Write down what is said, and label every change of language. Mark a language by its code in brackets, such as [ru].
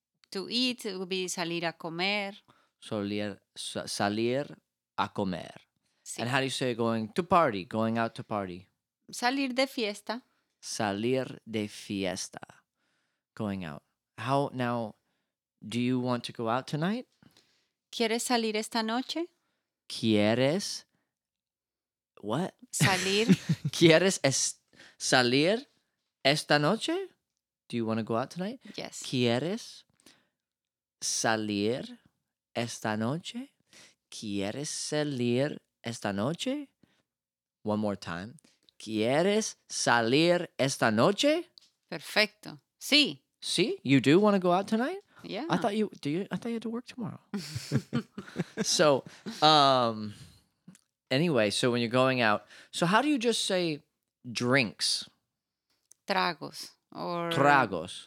[en] to eat would be [es] salir a comer. Salir a comer. Sí. [en] And how do you say going to party? Going out to party. [es] Salir de fiesta. Salir de fiesta. [en] Going out. How now? Do you want to go out tonight? [es] ¿Quieres salir esta noche? ¿Quieres? What? Salir. ¿Quieres salir esta noche? [en] Do you want to go out tonight? Yes. [es] ¿Quieres salir esta noche? ¿Quieres salir esta noche? [en] One more time. [es] ¿Quieres salir esta noche? Perfecto. Sí. Sí? [en] You do want to go out tonight? Yeah. I thought you had to work tomorrow. So, anyway, so when you're going out, so how do you just say drinks? [es] Tragos or tragos.